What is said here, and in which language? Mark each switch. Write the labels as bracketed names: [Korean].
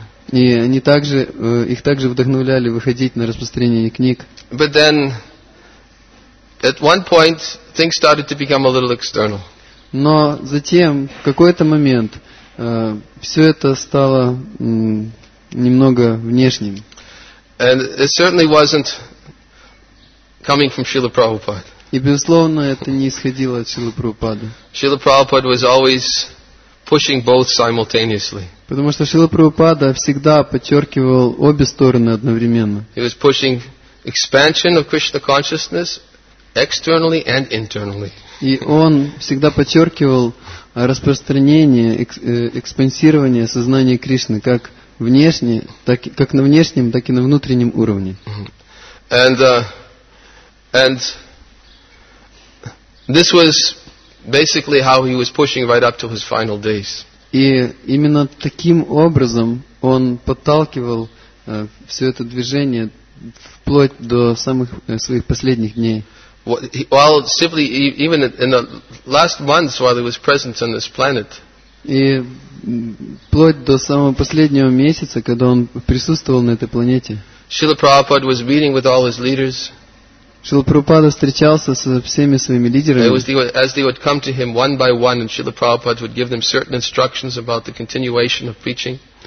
[Russian] И они также, их также вдохновляли выходить на распространение книг. [English] But then, at one point, things started to become a little external. [Russian] Но затем, в какой-то момент, все это стало немного внешним. [English] And it certainly wasn't coming from Srila Prabhupada. [Russian] И, безусловно, это не исходило от Шрилы Прабхупады. [English] Шрила Прабхупада was always pushing both simultaneously. [Russian] Потому что Шрила Прабхупада всегда подчеркивал обе стороны одновременно. [English] He was pushing expansion of Krishna consciousness externally and internally. [Russian] И он всегда подчеркивал распространение, экспансирование сознания Кришны как внешне, так, как на внешнем, так и на внутреннем уровне. [English] And this was basically how he was pushing right up to his final days. [Russian] И именно таким образом он подталкивал все это движение вплоть до самых своих последних дней. [English] While simply even in the last months while he was present on this planet. [Russian] И вплоть до самого последнего месяца, когда он присутствовал на этой планете. [English] Srila Prabhupada was meeting with all his leaders. [Russian] Шрила Прабхупада встречался со всеми своими лидерами. [English] As they would come to him one by one, and Srila Prabhupada would give them certain instructions about the continuation of preaching.